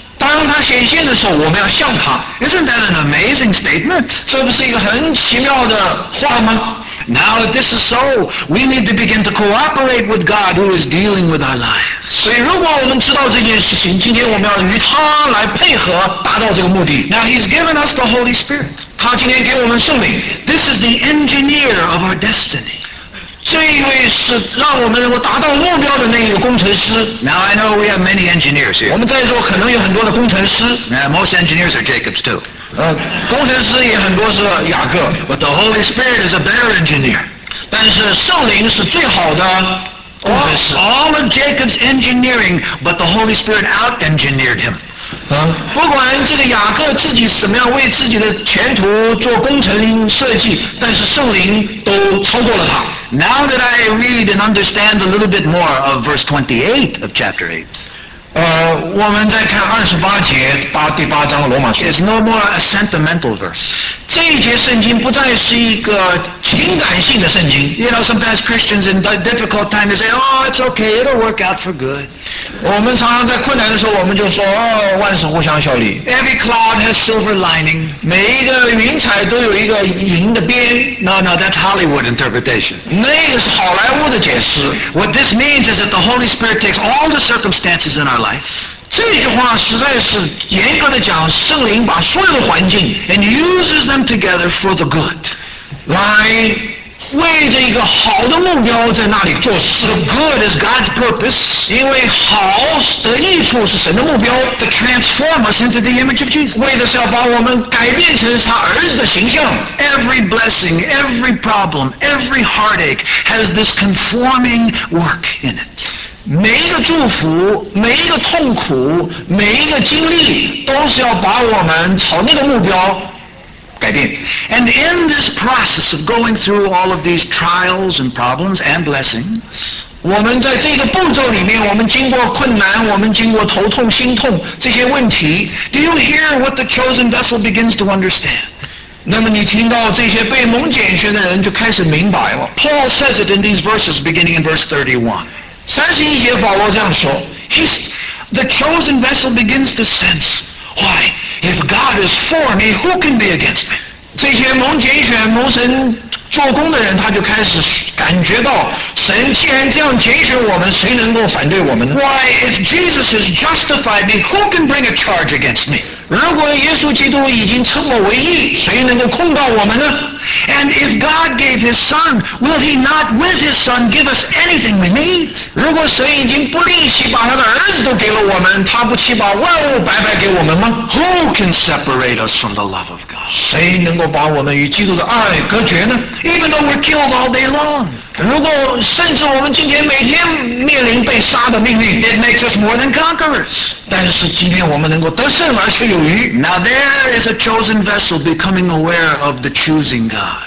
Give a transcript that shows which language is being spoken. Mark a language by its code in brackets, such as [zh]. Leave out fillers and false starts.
[zh] 当他显现的时候，我们要像他。 [en] Isn't that an amazing statement? [zh] 这不是一个很奇妙的话吗？ [en] Now if this is so, we need to begin to cooperate with God who is dealing with our lives. [zh] 所以如果我们知道这件事情，今天我们要与他来配合，达到这个目的。 [en] Now he's given us the Holy Spirit. [zh] 他今天给我们圣灵。 [en] This is the engineer of our destiny. [zh] 这一位是让我们能够达到目标的那一个工程师。 [en] Now I know we have many engineers here. [zh] 我们在座可能有很多的工程师。 [en] Yeah, most engineers are Jacob's too. [zh] 工程师也很多是雅各。 [en] But the Holy Spirit is a better engineer. [zh] 但是圣灵是最好的工程师。 [en] All of Jacob's engineering, but the Holy Spirit out-engineered him. [zh] 不管这个雅各自己怎么样为自己的前途做工程设计，但是圣灵都超过了他。 [en] Now that I read and understand a little bit more of verse 28 of chapter 8, [zh] 我们再看二十八节第八章罗马书。 [en] It's no more a sentimental verse. [zh] 这一节圣经不再是一个情感性的圣经。 [en] You know, sometimes Christians in difficult times say, "Oh, it's okay, it'll work out for good." [zh] 我们常常在困难的时候，我们就说，哦，万事互相效力。 [en] Every cloud has silver lining. [zh] 每一个云彩都有一个银的边。 [en] No, that's Hollywood interpretation. [zh] 那个是好莱坞的解释。 [en] What this means is that the Holy Spirit takes all the circumstances in our life. [zh] 这句话实在是严格的讲，圣灵把所有的环境 [en] and uses them together for the good [zh] 来为着一个好的目标在那里做事。 [en] The good is God's purpose. [zh] 因为好的益处是神的目标。 [en] To transform us into the image of Jesus. [zh] 为的是要把我们改变成他儿子的形象。 [en] Every blessing, every problem, every heartache has this conforming work in it. [zh] 每一个祝福，每一个痛苦，每一个经历，都是要把我们朝那个目标改变。 [en] And in this process of going through all of these trials and problems and blessings, [zh] 我们在这个步骤里面，我们经过困难，我们经过头痛、心痛这些问题。 [en] Do you hear what the chosen vessel begins to understand? [zh] 那么你听到这些被蒙拣选的人就开始明白了。 [en] Paul says it in these verses, beginning in verse 31. [zh] 三十一节保罗这样说 [en] He's, The chosen vessel begins to sense Why, if God is for me, who can be against me? [zh] 这些蒙拣选蒙神做工的人他就开始感觉到神既然这样拣选我们谁能够反对我们呢 [en] Why, if Jesus has justified me, who can bring a charge against me? [zh] 如果耶稣基督已经称我为义谁能够控告我们呢 [en] And if God gave his son, will he not with his son give us anything we need? [zh] 如果神已经不吝惜把他的儿子都给了我们他不惜把万物白白给我们吗 [en] Who can separate us from the love of God? [zh] 谁能够把我们与基督的爱隔绝呢 [en] Even though we're killed all day long. [zh] 如果甚至我们今天每天面临被杀的命运 [en] It makes us more than conquerors. [zh] 但是今天我们能够得胜而且有余 [en] Now there is a chosen vessel becoming aware of the choosing God.